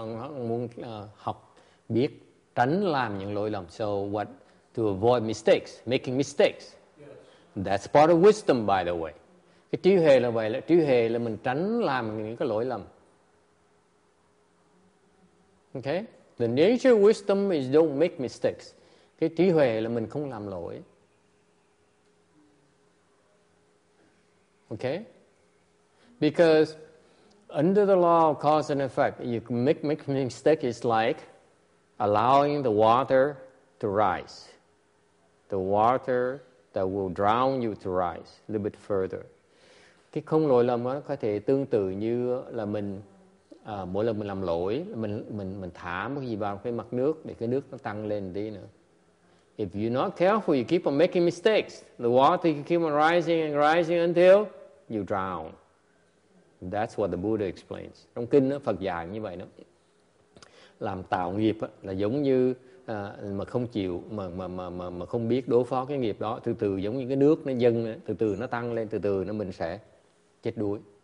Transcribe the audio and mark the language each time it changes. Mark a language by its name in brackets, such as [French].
[Vietnamese] Yeah. Ông muốn học biết tránh làm những lỗi lầm. [English] So what to avoid mistakes, making mistakes. Yes. That's part of wisdom, by the way. [Vietnamese] Cái trí huệ là vậy. Trí huệ là mình tránh làm những cái lỗi lầm. [English] Okay? The nature of wisdom is don't make mistakes. [Vietnamese] Cái trí huệ là mình không làm lỗi. [English] Okay? Because under the law of cause and effect, you can make mistake is like allowing the water to rise. The water that will drown you to rise a little bit further. [Vietnamese] Cái không lỗi lầm có thể tương tự như là mình mỗi lần mình làm lỗi, mình thả một cái gì vào cái mặt nước để cái nước nó tăng lên tí nữa. [English] If you're not careful, you keep on making mistakes. The water you keep on rising and rising until you drown. That's what the Buddha explains. [Vietnamese] Trong kinh đó, Phật dạy như vậy đó. Làm tạo nghiệp đó, là giống như mà không chịu mà không biết đối phó cái nghiệp đó, từ từ giống như cái nước nó dâng, từ từ nó tăng lên, từ từ nó mình sẽ chết đuối.